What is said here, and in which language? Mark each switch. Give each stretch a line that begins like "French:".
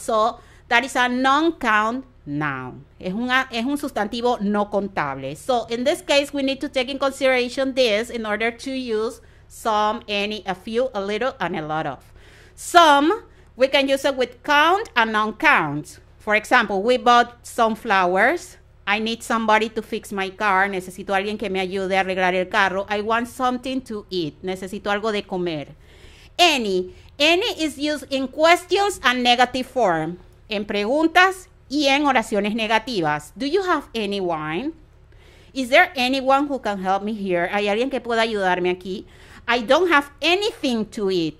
English: So that is a non-count noun.
Spanish: Es un sustantivo no contable.
English: So in this case, we need to take in consideration this in order to use some, any, a few, a little, and a lot of. Some, We can use it with count and non-counts. For example, we bought some flowers. I need somebody to fix my car.
Spanish: Necesito a alguien que me ayude a arreglar el carro.
English: I want something to eat.
Spanish: Necesito algo de comer.
English: Any is used in questions and negative form.
Spanish: En preguntas y en oraciones negativas.
English: Do you have any wine? Is there anyone who can help me here?
Spanish: ¿Hay alguien que pueda ayudarme aquí?
English: I don't have anything to eat.